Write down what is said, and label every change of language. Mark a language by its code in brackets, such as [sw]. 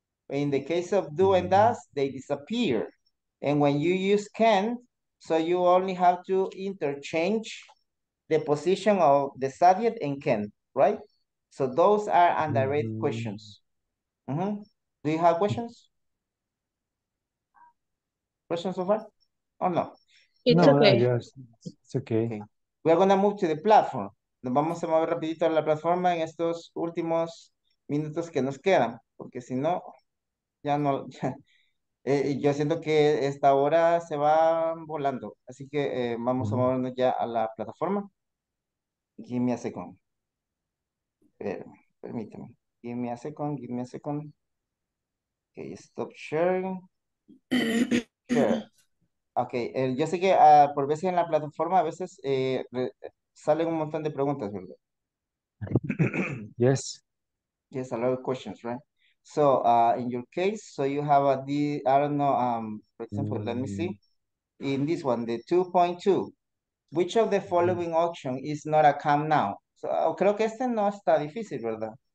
[en] In the case of do and does, they disappear. And when you use can, so you only have to interchange the position of the subject and can, right? So those are indirect questions. Mm-hmm. Do you have questions? Questions so far? Or no? It's no, okay. It's okay. Okay. We are going to move to the platform. [es] Nos vamos a mover rapidito a la plataforma en estos últimos minutos que nos quedan, porque si no... Ya no, yo siento que esta hora se va volando, así que vamos a movernos ya a la plataforma. [en] Give me a second. [es] Permíteme. [en] Give me a second, give me a second. Okay, stop sharing. Share. [es] Okay, yo sé que por veces en la plataforma a veces salen un montón de preguntas, ¿verdad? [en] Yes. Yes, a lot of questions, right? So in your case, so you have for example, let me see. In this one, the 2.2. Which of the following option is not a come now? [es] So creo que este no está difícil, ¿verdad?